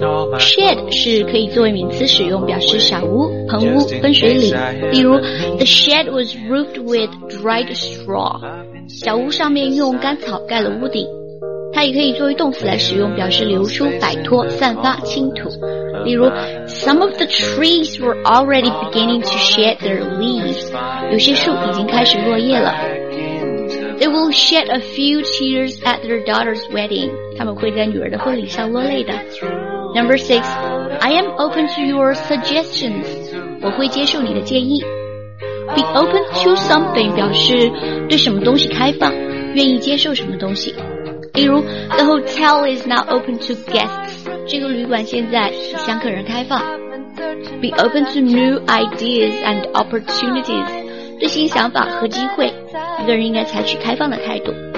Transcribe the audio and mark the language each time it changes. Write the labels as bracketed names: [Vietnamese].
[Chinese] Shed 是可以作为名词使用，表示小屋、棚屋、分水岭。例如 [English] ，The shed was roofed with dried straw. [Chinese] 小屋上面用干草盖了屋顶。它也可以作为动词来使用，表示流出、摆脱、散发、倾吐。例如 [English] ,Some of the trees were already beginning to shed their leaves. [Chinese] 有些树已经开始落叶了。 [English] They will shed a few tears at their daughter's wedding. [Chinese] 他们会在女儿的婚礼上落泪的。 [English] Number six, I am open to your suggestions. [Chinese] 我会接受你的建议。Be open to something 表示对什么东西开放，愿意接受什么东西。例如 [English] ,The hotel is now open to guests. [Chinese] 这个旅馆现在向客人开放。 [English] Be open to new ideas and opportunities. [Chinese] 对新想法和机会，一个人应该采取开放的态度。